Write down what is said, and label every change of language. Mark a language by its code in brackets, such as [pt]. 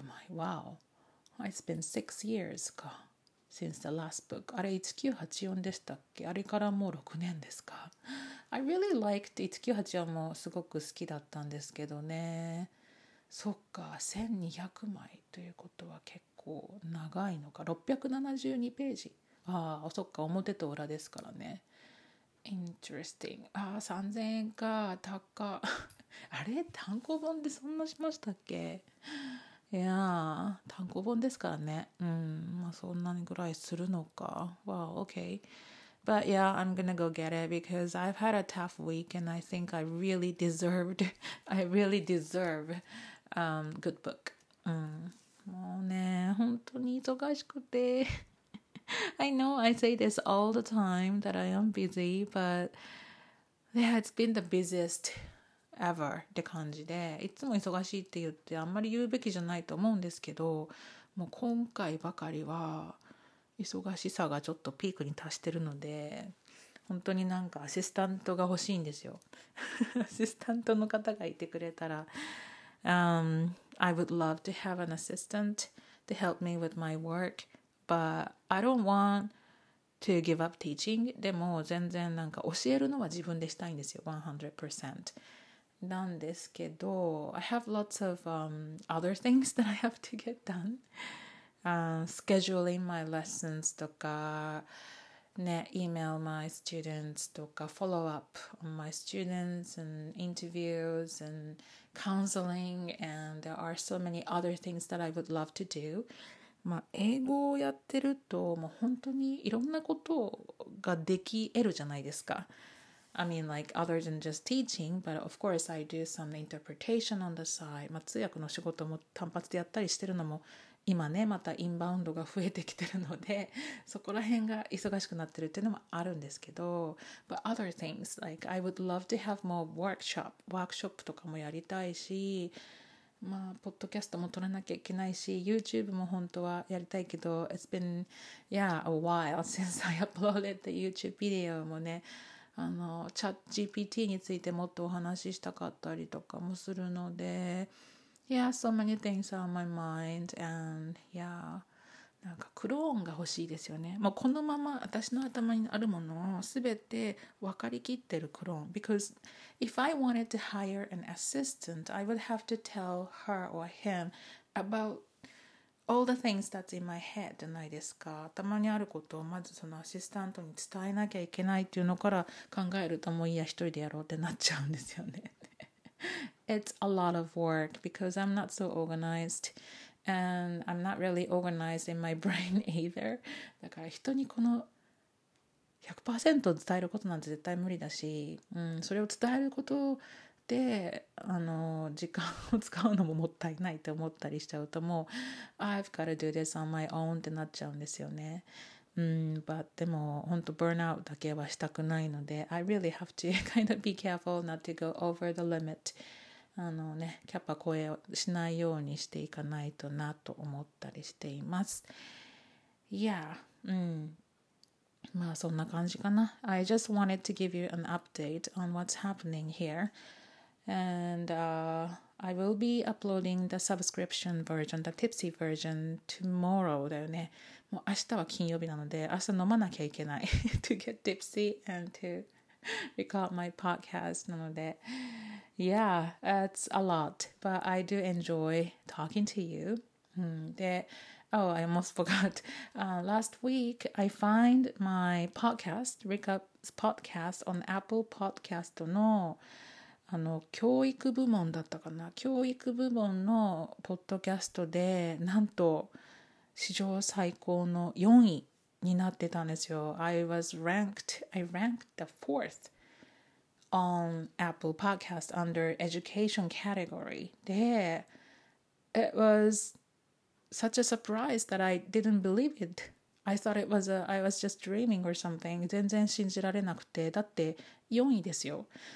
[en] Wow, it's been 6 years か since the last book。 [ja] あれ1984でしたっけ、あれからもう6年ですか。 [en] I really liked [ja] 1984もすごく好きだったんですけどね。そっか、1200枚ということは結構構長いのか、672ページ。ああそっか、表と裏ですからね。 [en] Interesting。 [ja] ああ3000円か、高あれ単行本でそんなしましたっけ。いやー単行本ですからね、うん、まあ、そんなにぐらいするのか。 [en] Wow, okay. But yeah, I'm gonna go get it because I've had a tough week and I think I really deserve good book、 [ja] うん、もうね本当に忙しくて。 [en] I know I say this all the time that I am busy, but yeah, it's been the busiest ever [ja] って感じで、いつも忙しいって言ってあんまり言うべきじゃないと思うんですけど、もう今回ばかりは忙しさがちょっとピークに達してるので、本当になんかアシスタントが欲しいんですよ。アシスタントの方がいてくれたら、 [en] I would love to have an assistant to help me with my work. But I don't want to give up teaching. [ja] でも全然なんか教えるのは自分でしたいんですよ。 [en] 100%。 [ja] なんですけど、 [en] I have lots of other things that I have to get done. Scheduling my lessons とか、ね、email my students とか、follow up on my students and interviews and counseling. And there are so many other things that I would love to do. [ja] まあ、英語をやってるともう本当にいろんなことができ得るじゃないですか。 [en] I mean like other than just teaching, but of course I do some interpretation on the side、 [ja] まあ、通訳の仕事も単発でやったりしてるのも今ね、またインバウンドが増えてきてるので、そこら辺が忙しくなってるっていうのもあるんですけど、 [en] but other things like I would love to have more workshop、 [ja] ワークショップとかもやりたいし、まあ、ポッドキャストも撮らなきゃいけないし、 YouTube も本当はやりたいけど、 [en] It's been, yeah, a while since I uploaded the YouTube video [ja] もね、あのチャット GPT についてもっとお話ししたかったりとかもするので、 [en] Yeah, so many things are on my mind. [ja] And yeah, なんかクローンが欲しいですよね。もうこのまま私の頭にあるものを全て分かりきってるクローン。 [en] Because if I wanted to hire an assistant, I would have to tell her or him about all the things that's in my head [ja] じゃないですか。頭にあることをまずそのアシスタントに伝えなきゃいけないっていうのから考えると、もういいや一人でやろうってなっちゃうんですよね。 [en] It's a lot of work because I'm not so organized. And I'm not really organized in my brain either. [ja] だから人にこの 100% 伝えることなんて絶対無理だし、うん、それを伝えることで時間を使うのももったいないと思ったりしちゃうと、もう [en] I've got to do this on my own [ja] ってなっちゃうんですよね。 [en] うん、but [ja] でも本当 [en] burnout だけはしたくないので、 I really have to kind of be careful not to go over the limit. [ja] ね、キャパ超えしないようにしていかないとなと思ったりしています。 Yeah、うん、まあそんな感じかな。 [en] I just wanted to give you an update on what's happening here. And、I will be uploading the subscription version, the tipsy version tomorrow [ja] だよね。もう明日は金曜日なので明日飲まなきゃいけない。 [en] To get tipsy and to record my podcast なので、Yeah, it's a lot, but I do enjoy talking to you.、Mm-hmm. で、oh, I almost forgot.、last week, I found my podcast, Rika's podcast, on Apple Podcast [ja] の、教育部門だったかな。教育部門のポッドキャストで、なんと史上最高の4位になってたんですよ。 [en] I ranked the fourth. On Apple Podcast under Education Category. There, it was such a surprise that I didn't believe it. I thought it was I was just dreaming or something. [ja] 全然信じられなくて、だって4位ですよ。